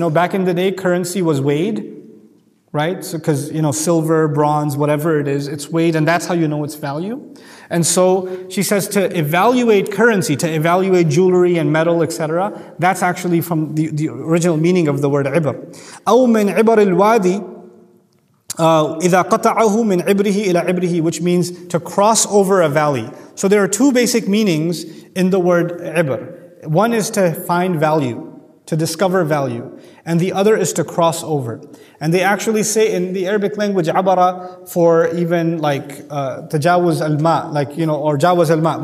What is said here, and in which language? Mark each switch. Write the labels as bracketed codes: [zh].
[en] You know, back in the day, currency was weighed, right? So, because, you know, silver, bronze, whatever it is, it's weighed, and that's how you know its value. And so she says to evaluate currency, to evaluate jewelry and metal, etc. That's actually from the original meaning of the word ibr. [ar] أو من عبر الوادي إذا قطعه من عبره إلى عبره, [en] which means to cross over a valley. So there are two basic meanings in the word عبر. One is to find value, to discover value. And the other is to cross over. And they actually say in the Arabic language, عبر, for even like [ar] تجاوز الماء, [en] like, you know, or [ar] جاوز الماء.